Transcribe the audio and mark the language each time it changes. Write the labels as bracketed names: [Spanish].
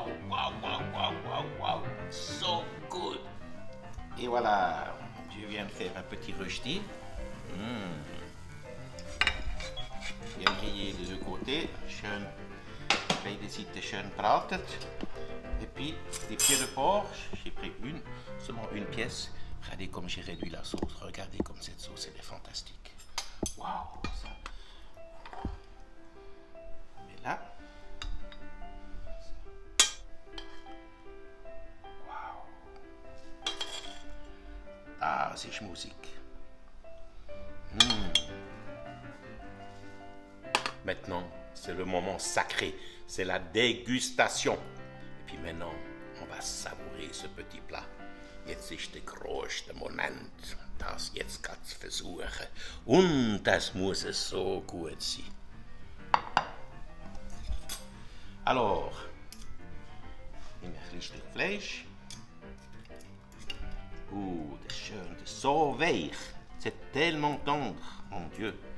[English] Wow, so good. [French] Et voilà, je viens de faire un petit rösti. Je viens griller les deux côtés. [German] Schön, beide Seite schön braten. [French] Et puis, les pieds de porc, j'ai pris seulement une pièce. Regardez comme j'ai réduit la sauce. Regardez comme cette sauce, elle est fantastique. Wow, ça. Mais là. Ah, c'est schmusig. Maintenant, c'est le moment sacré. C'est la dégustation. Et puis maintenant, on va savourer ce petit plat. [German] Jetzt ist der größte Moment. Das jetzt ganz versuchen. Und das muss es so gut sein. Alors, ein richtig Fleisch. Das schön, das so weich. [French] C'est tellement tendre, mon Dieu.